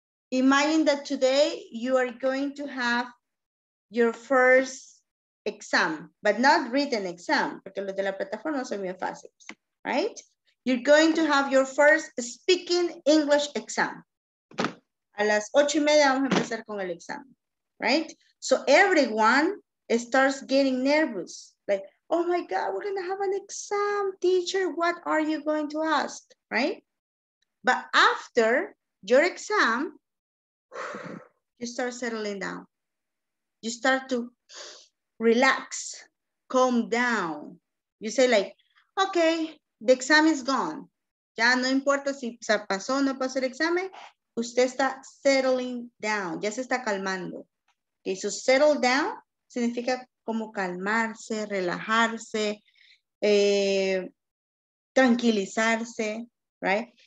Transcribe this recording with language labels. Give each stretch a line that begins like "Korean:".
English: Imagine that today you are going to have your first exam, but not written exam,
Spanish: porque los de la plataforma son bien fáciles,
English: right? You're going to have your first speaking English exam.
Spanish: A las 8:30 vamos a empezar con el exam, right?
English: So everyone starts getting nervous, like, oh my God, we're gonna have an exam, teacher, what are you going to ask, right? But after your exam, you start settling down. You start to relax, calm down. You say like, okay, the exam is gone.
Spanish: Ya no importa si se pasó o no pasó el examen, usted está settling down, ya se está calmando. Okay, so settle down significa como calmarse, relajarse, tranquilizarse, right?